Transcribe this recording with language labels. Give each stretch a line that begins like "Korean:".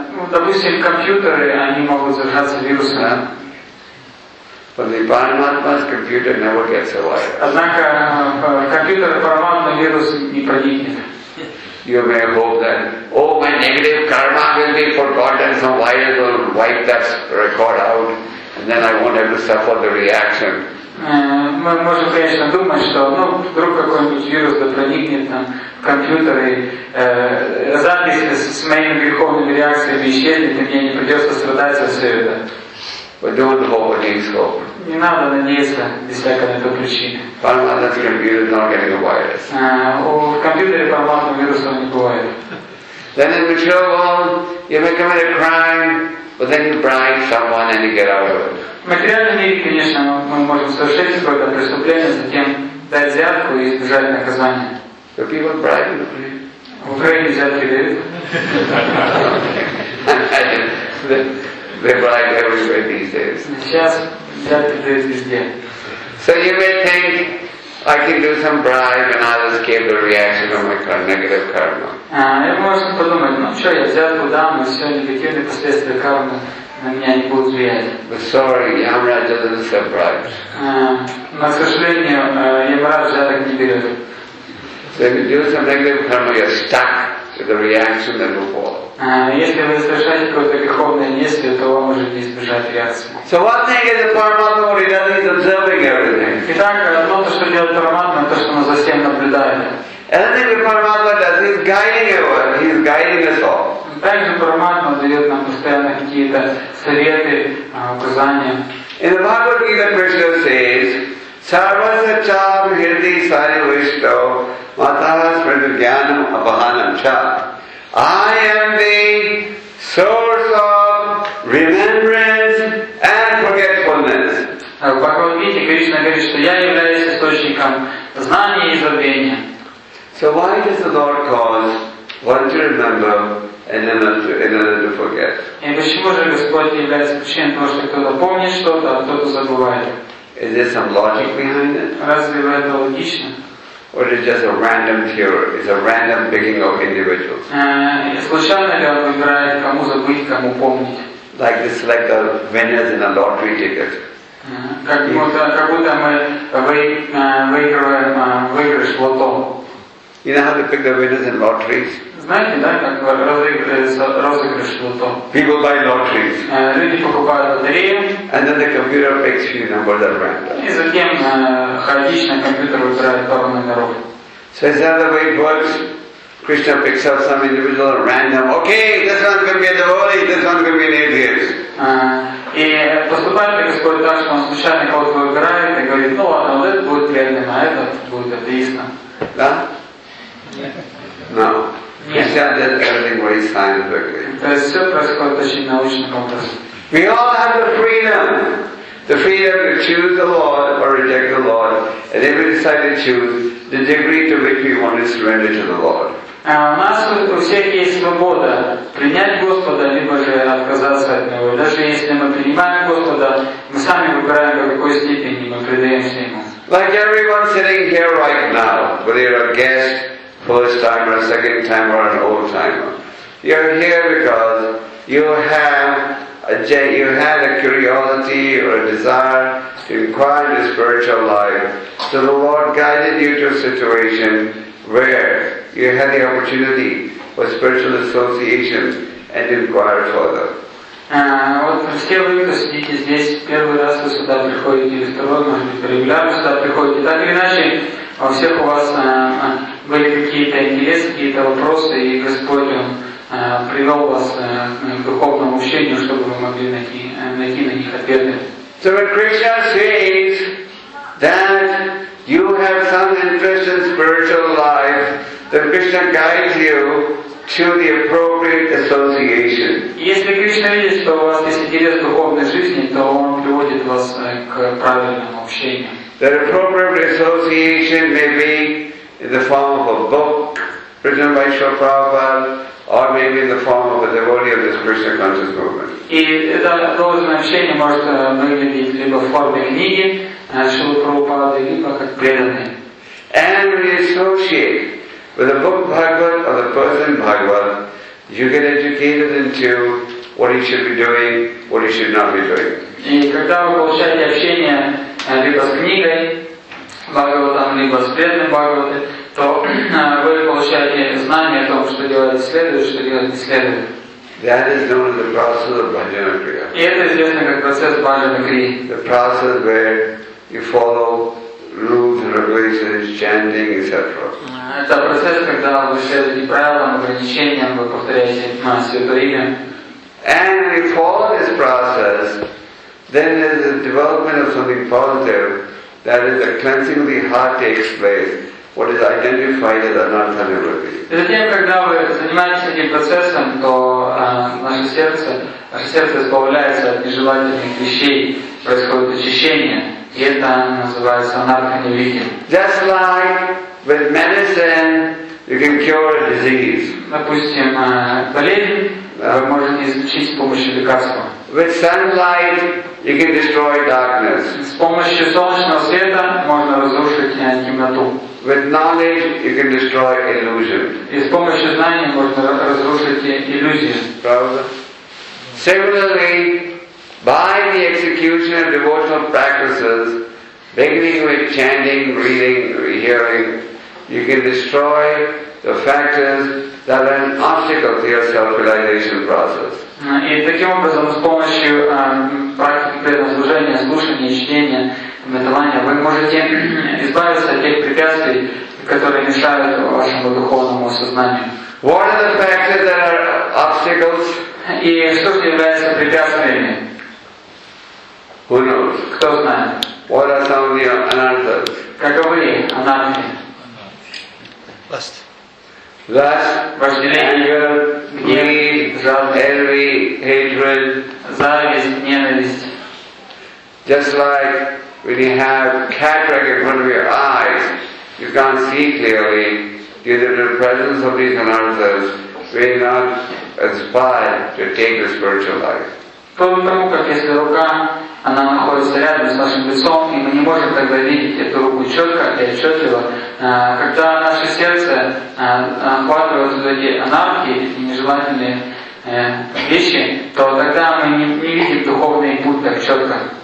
Russian: Допустим, компьютеры, они могут заражаться вирусами.
English: But the Paramatma's computer never gets a virus.
Russian: Однако компьютер Параматмы вирус не проникнет.
English: You may hope that, oh, my negative karma will be forgotten, some virus will wipe that record out, and then I won't have to suffer the reaction.
Russian: Мы можем, конечно, думать, что вдруг какой-нибудь вирус проникнет там в компьютер, и запись с моими греховными реакциями исчезнет, и мне не придется страдать за все это.
English: But don't hope against hope.
Russian: Не надо надеяться без всякой на эту причину.
English: Paramatma's computer is not getting a virus.
Russian: В компьютере Paramatma вируса не бывает.
English: Then in the show world, you may commit a crime, but then you bribe someone and you get out of it.
Russian: В материальном мире, конечно, мы можем совершить какое-то преступление, затем дать взятку и избежать наказания.
English: Do people bribe you?
Russian: В Украине взятки дают.
English: They bribe everywhere these days. So you may think, I can do some bribe and I'll escape the reaction of my negative karma. But sorry, Yamraj doesn't accept bribes. So if you do some negative karma, you're stuck with the reaction that will fall.
Russian: Если вы совершаете какое-то греховное действие, то вам уже не избежать реакции.
English: So one thing is the Paramatma who is observing everything.
Russian: Итак, одно то, что делает Paramatma, то, что он за всем наблюдает.
English: And then the Paramatma does, he's guiding everyone, he's guiding us all.
Russian: Также Paramatma дает нам постоянно какие-то советы, указания.
English: In the Bhagavad Gita, Krishna says,
Sanskrit: Sarvasya chaam hirdi sari vishto matahas pradu jnanam apahanam cha.
English: I am the source of remembrance and forgetfulness.
Russian: Бхагавад-гите Кришна говорит, что я являюсь источником знания и забвения.
English: So why does the Lord cause one to remember and another to forget?
Russian: И почему же Господь является причиной того, что кто-то помнит что-то, а кто-то забывает?
English: Is there some logic behind it?
Russian: Разве это логично?
English: Or is it just a random theory? It's a random picking of individuals.
Russian: Случайно ли он выбирает, кому забыть, кому помнить?
English: Like this, like the winners in a lottery ticket.
Russian: Как будто мы выигрываем выигрыш в лото.
English: You know how they pick the winners in lotteries?
Russian: Знаете, да, как разыгрывается розыгрыш в лото?
English: People buy lotteries.
Russian: Люди покупают лотерею.
English: And then the computer picks few numbers at random.
Russian: И затем хаотично компьютер выбирает пару номеров.
English: So is that the way it works? Krishna picks up some individual at random. Okay, this one's going to be a devotee, this one's going to be an atheist.
Russian: И поступает ли Господь так, что он случайно кого-то выбирает и говорит, ну ладно, вот этот будет верным, а этот будет атеистом. Да? Нет.
English: No. He said that everything very scientifically. We all have the freedom. The freedom to choose the Lord or reject the Lord. And then we decide to choose the degree to which we want to surrender to the Lord.
Russian: У нас у всех есть свобода принять Господа, либо же отказаться от Него. Даже если мы принимаем Господа, мы сами выбираем, в какой степени мы предаемся Ему.
English: Like everyone sitting here right now, whether you're a guest, first time or a second time or an old timer. You're here because you had a curiosity or a desire to inquire into spiritual life. So the Lord guided you to a situation where you had the opportunity for spiritual association and to inquire further.
Russian: Вот все вы, кто сидите здесь, первый раз вы сюда приходите, или второй, может быть, регулярно сюда приходите, так или иначе, у всех у вас были какие-то интересы, какие-то вопросы, и Господь привел вас к духовному общению, чтобы вы могли найти на них ответы.
English: So when Krishna says that you have some interest in spiritual life, then Krishna guides you to the appropriate association.
Russian: Если Кришна видит, что у вас есть интерес к духовной жизни, то он приводит вас к правильному общению.
English: That appropriate association may be in the form of a book written by Srila Prabhupada, or maybe in the form of a devotee of this Krishna conscious movement.
Russian: И это должное общение может выглядеть либо в форме книги Шрилы Прабхупады, либо как преданный.
English: And we associate with a book Bhagavat or the person Bhagavat, you get educated into what he should be doing, what he should not be doing.
Russian: И когда вы получаете общение либо с книгой Бхагаватам, либо с преданным Бхагаватом, то вы получаете знание о том, что делать следует, что делать не следует.
English: That is known as the process of Bhajana Kriya.
Russian: И это известно как процесс Бхаджана Крии.
English: The process where you follow rules and regulations, chanting, etc.
Russian: Это процесс, когда вы следуете правилам, ограничениям, вы повторяете святое имя.
English: And we follow this process, then there's a development of something positive, that is, the cleansing of the heart takes place, what is identified as anartha nivritti.
Russian: И затем, когда вы занимаетесь этим процессом, то наше сердце избавляется от нежелательных вещей, происходит очищение, и это называется анартха нивритти.
English: Just like with medicine, you can cure a disease.
Russian: Допустим, болезнь вы можете излечить с помощью лекарства.
English: With sunlight, you can destroy darkness.
Russian: С помощью солнечного света можно разрушить темноту.
English: With knowledge, you can destroy illusion.
Russian: И с помощью знания можно разрушить иллюзии. Правда?
English: Similarly, by the execution of devotional practices, beginning with chanting, reading, hearing, you can destroy the factors that are an obstacle to your self-realization process.
Russian: И таким образом, с помощью практики предназначения, слушания, чтения, медитирования, вы можете избавиться от тех препятствий, которые мешают вашему духовному осознанию.
English: What are the factors that are obstacles?
Russian: И что же является препятствиями?
English: Who knows?
Russian: Кто знает?
English: What are some of the anarthas?
Russian: Каковы анархи?
English: Lust. Lust, anger, greed, envy, hatred.
Russian: Зависть, ненависть.
English: Just like when you have cataract in front of your eyes, you can't see clearly due to the presence of these anarthas, we are not inspired to take the spiritual life.
Russian: Потому как если рука, она находится рядом с нашим лицом, и мы не можем тогда видеть эту руку четко и отчетливо, когда наше сердце охватывает вот эти анархии, эти нежелательные вещи, то тогда мы не видим духовный путь так четко.